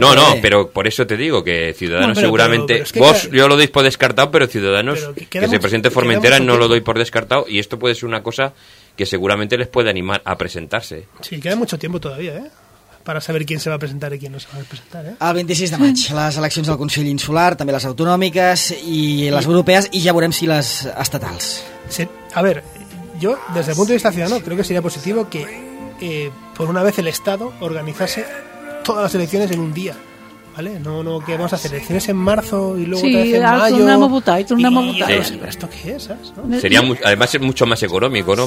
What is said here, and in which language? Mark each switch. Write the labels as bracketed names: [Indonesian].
[Spanish] No, pero por eso te digo que Ciudadanos seguramente... Vox yo lo doy por descartado, pero Ciudadanos, que se presente Formentera, no lo doy por descartado, y esto puede ser una cosa que seguramente les puede animar a presentarse. Sí, queda mucho tiempo todavía, ¿eh? Para saber quién se va a presentar y quién no se va a presentar, ¿eh? [Catalan] El 26 de maig, les eleccions del Consell Insular, també les autonòmiques i les europees, i ja veurem si les estatals. [Spanish] Sí, a ver... Yo, desde el punto de vista ciudadano, creo que sería positivo que, por una vez, el Estado organizase todas las elecciones en un día, ¿vale? No, que vamos a hacer elecciones en marzo y luego sí, otra vez en mayo... Sí, tornamos a votar, tornamos a votar. Pero esto qué es, ¿sabes? ¿No? Sería además es mucho más económico, ¿no?